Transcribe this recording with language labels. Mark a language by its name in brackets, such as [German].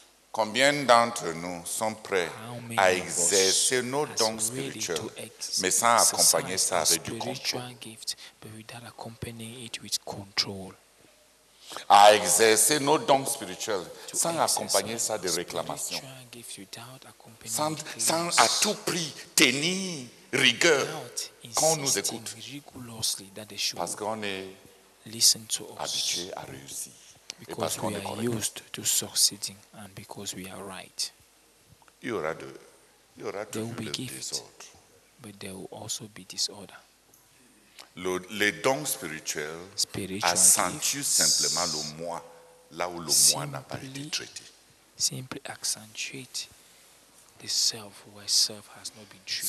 [French] Combien d'entre nous sont prêts à exercer nos dons spirituels, mais sans accompagner ça avec du contrôle? À exercer nos dons spirituels, sans accompagner ça de réclamations? Sans à tout prix tenir rigueur qu'on nous écoute? Parce qu'on est habitué à réussir. [English] Because we are used to succeeding and because we are right. There will be gifts, but there will also be disorder. [French] Les dons spirituels accentuent simplement le moi, là où le moi n'a pas été traité. [English] Simply accentuate the self where self has not been treated.